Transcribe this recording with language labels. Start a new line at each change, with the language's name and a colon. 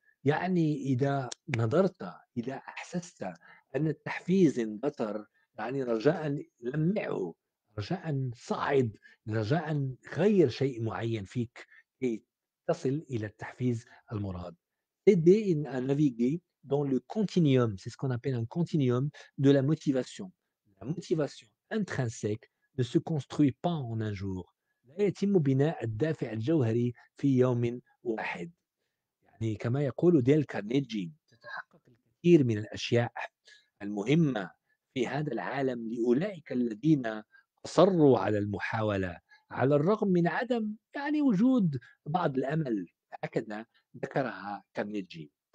Arabic: يعني إذا نظرت، إذا أحسست أن التحفيز انبتر، يعني رجاء لمعه، رجاء صعد، رجاء غير شيء معين فيك كي تصل إلى التحفيز المراد.
French: Aider à naviguer dans le continuum, c'est ce qu'on appelle un continuum de la motivation. La motivation intrinsèque ne se construit pas en un jour.
Arabic: لا يتم بناء الدافع الجوهري في يوم واحد. يعني كما يقول ديل كارنيجي، تتحقق الكثير من الأشياء المهمة في هذا العالم لأولئك الذين أصروا على المحاولة، على الرغم من عدم يعني وجود بعض الأمل، هكذا ذكرها كارنيجي.